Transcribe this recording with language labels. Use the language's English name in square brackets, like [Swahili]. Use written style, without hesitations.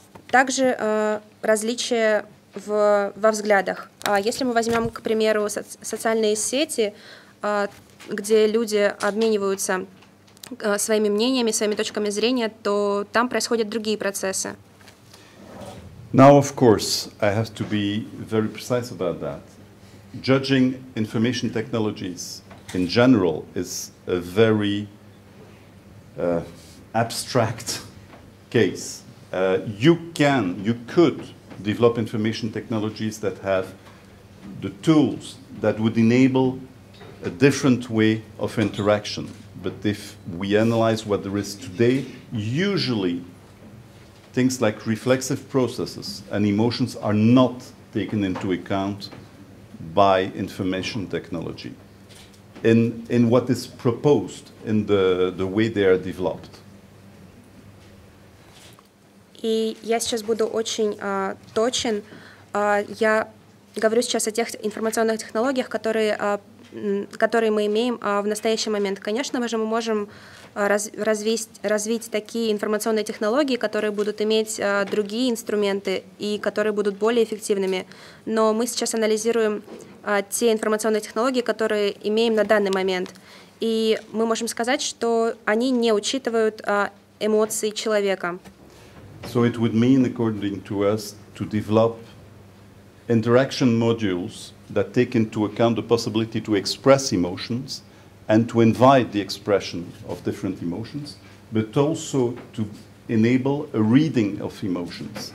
[Russian] Также различия во взглядах. Если мы возьмем, к примеру, социальные сети, где люди обмениваются своими мнениями, своими точками зрения, то там происходят другие процессы. [English] Now, of course, I have to be very precise about that. Judging information technologies in general is a very abstract case. You could develop information technologies that have the tools that would enable a different way of interaction. But if we analyze what there is today, usually things like reflexive processes and emotions are not taken into account by information technology in what is proposed, in the way they are developed. [Russian] И я сейчас буду очень точен. Я говорю сейчас о тех информационных технологиях, которые мы имеем в настоящий момент. Конечно же, мы можем развить такие информационные технологии, которые будут иметь другие инструменты и которые будут более эффективными. Но мы сейчас анализируем те информационные технологии, которые имеем на данный момент. И мы можем сказать, что они не учитывают эмоции человека. [English] So it would mean, according to us, to develop interaction modules that take into account the possibility to express emotions and to invite the expression of different emotions, but also to enable a reading of emotions.